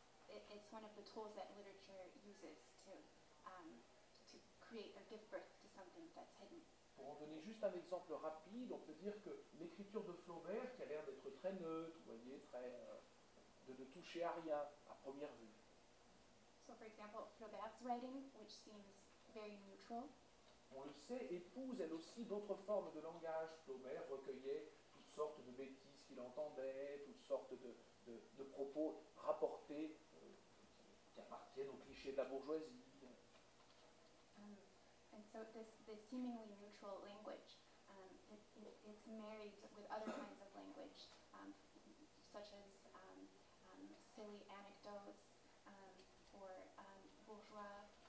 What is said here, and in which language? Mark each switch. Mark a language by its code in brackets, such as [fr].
[en] It's one of the tools that literature uses to create or give birth to something that's hidden. [fr] Pour en donner juste un exemple rapide, on peut dire que l'écriture de Flaubert, qui a l'air d'être très neutre, vous voyez, très de ne toucher à rien à première vue. [en] So for example, Flaubert's writing, which seems very neutral. [fr] On le sait, épouse elle aussi d'autres formes de langage. Flaubert recueillait toutes sortes de bêtises qu'il entendait, toutes sortes de propos rapportés qui appartiennent au cliché de la bourgeoisie. [en] And so this seemingly neutral language, it's married with other kinds of language, such as silly anecdotes or bourgeois.